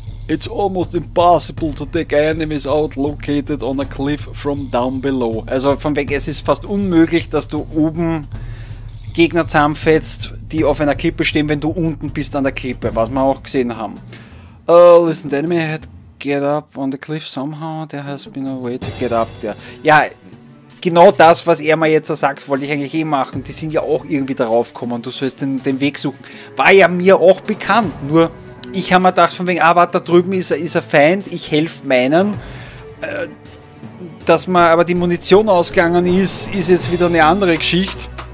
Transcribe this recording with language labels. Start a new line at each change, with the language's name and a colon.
English: It's almost impossible to take enemies out located on a cliff from down below.
German: Also von weg, es ist fast unmöglich, dass du oben Gegner zusammenfetzt, die auf einer Klippe stehen, wenn du unten bist an der Klippe, was wir auch gesehen haben.
English: Listen, the enemy had get up on the cliff somehow. There has been a way to get up there.
German: Ja, genau das, was er mir jetzt sagt, wollte ich eigentlich eh machen. Die sind ja auch irgendwie darauf gekommen. Du sollst den Weg suchen. War ja mir auch bekannt, nur... Ich habe mir gedacht, von wegen, ah, warte, da drüben ist ein Feind, ich helfe meinen. Dass mir aber die Munition ausgegangen ist, ist jetzt wieder eine andere Geschichte.